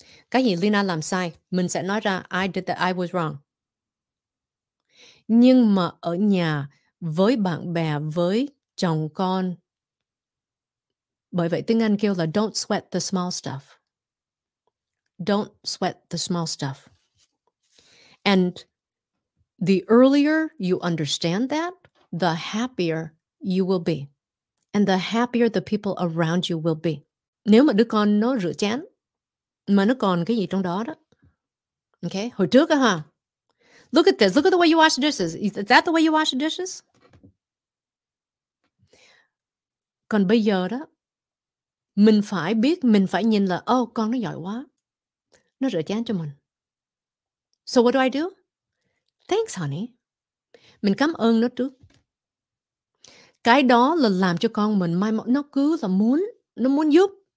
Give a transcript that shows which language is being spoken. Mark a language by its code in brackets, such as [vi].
[vi] Cái gì Lina làm sai, mình sẽ nói ra [en] I did that, I was wrong. [vi] Nhưng mà ở nhà, với bạn bè, với chồng con, bởi vậy tiếng Anh kêu là [en] don't sweat the small stuff. Don't sweat the small stuff. And the earlier you understand that, the happier you will be. And the happier the people around you will be. [vi] Nếu mà đứa con nó rửa chén, mà nó còn cái gì trong đó đó. Okay, hồi trước á ha. [en] Look at this, look at the way you wash the dishes. Is that the way you wash the dishes? [vi] Còn bây giờ đó, mình phải biết, mình phải nhìn là, oh, con nó giỏi quá. Nó rửa chén cho mình. [en] So what do I do? Thanks, honey. [vi] Mình cảm ơn nó trước. Cái đó là làm cho con mình mai mốt nó cứ là muốn, nó muốn giúp.